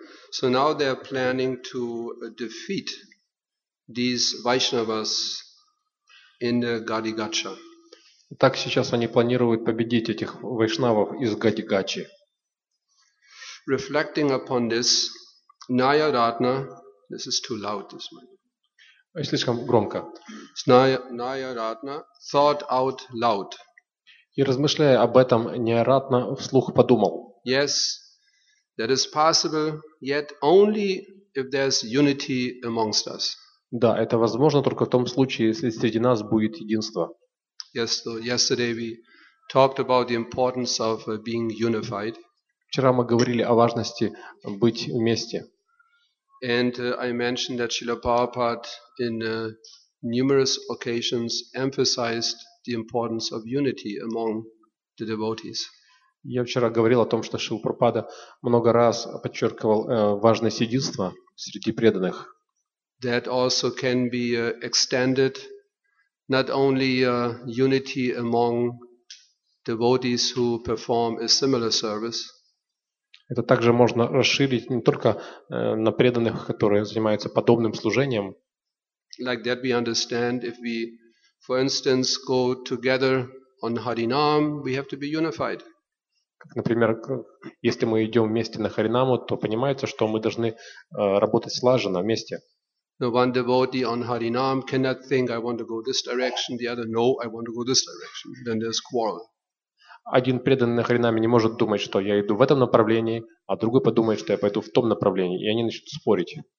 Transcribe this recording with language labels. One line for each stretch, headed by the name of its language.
English: So now they are planning to defeat these Vaishnavas in the Gadigacha.
Russian: Так сейчас они планируют победить этих вайшнавов из Гадигачи.
English: Reflecting upon this, Nayaratna, this is too loud this morning.
Russian: Слишком громко.
English: Nayaratna thought out loud.
Russian: И размышляя об этом, Nayaratna вслух подумал.
English: Yes, that is possible, yet only if there's unity amongst us.
Russian: Да, это возможно только в том случае, если среди нас будет единство.
English: Yes, so yesterday we talked about the importance of being unified.
Russian: Вчера мы говорили о важности быть вместе.
English: And I mentioned that Srila Prabhupada in numerous occasions emphasized the importance of unity among the devotees.
Russian: Я вчера говорил о том, что Шрила Прабхупада много раз подчеркивал важность единства среди преданных.
English: That also can be extended not only unity among devotees who perform a similar service.
Russian: Это также можно расширить не только на преданных, которые занимаются подобным служением.
English: Like that we understand if we, for instance, go together on Харинам, we have to be unified.
Russian: Как, например, если мы идем вместе на Харинаму, то понимается, что мы должны работать слаженно вместе.
English: No, one devotee on Харинам cannot think, I want to go this direction, the other, no, I want to go this direction. Then there's quarrel.
Russian: Один преданный на Харинаме не может думать, что я иду в этом направлении, а другой подумает, что я пойду в том направлении, и они начнут спорить.